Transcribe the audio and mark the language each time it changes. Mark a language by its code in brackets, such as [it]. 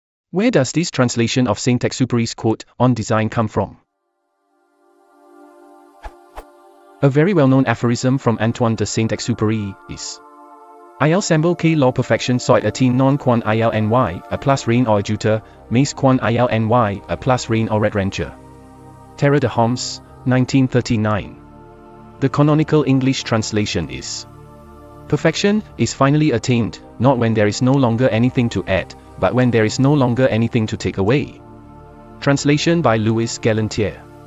[en] Where does this translation of Saint-Exupery's quote on design come from? A very well-known aphorism from Antoine de Saint-Exupéry is: [fr] Il semble que la perfection soit atteinte non quand il n'y a plus rien à ajouter, mais quand il n'y a plus rien à retirer. Terre de Homs, 1939. [en] The canonical English translation is: Perfection is finally attained, not when there is no longer anything to add, but when there is no longer anything to take away. Translation by Lewis Galantiere.